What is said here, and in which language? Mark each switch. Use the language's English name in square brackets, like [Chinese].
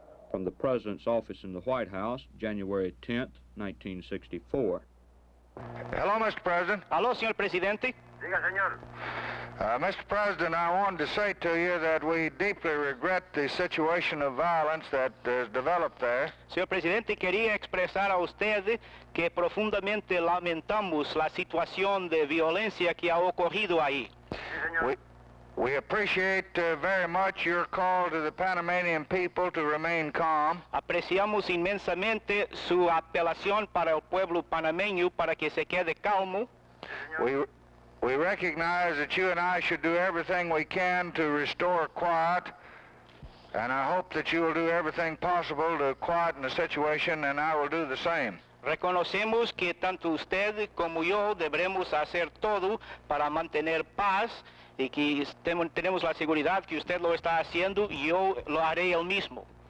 [English] From the President's office in the White House, January 10, 1964. Hello, Mr. President. Hello, [Spanish] señor presidente. Diga, señor. [English] Mr. President, I wanted to say to you that we deeply regret the situation of violence that has developed there. [Spanish] Señor presidente, quería expresar a usted que profundamente lamentamos la situación de violencia que ha ocurrido ahí. Sí, señor. [English] We appreciate very much your call to the Panamanian people to remain calm. [Spanish] Apreciamos inmensamente su apelación para el pueblo panameño para que se quede calmo. [English] We recognize that you and I should do everything we can to restore quiet, and I hope that you will do everything possible to quieten the situation, and I will do the same. [Spanish] Reconocemos que tanto usted como yo debemos hacer todo para mantener paz y que tenemos la seguridad que usted lo está haciendo y yo lo haré el mismo.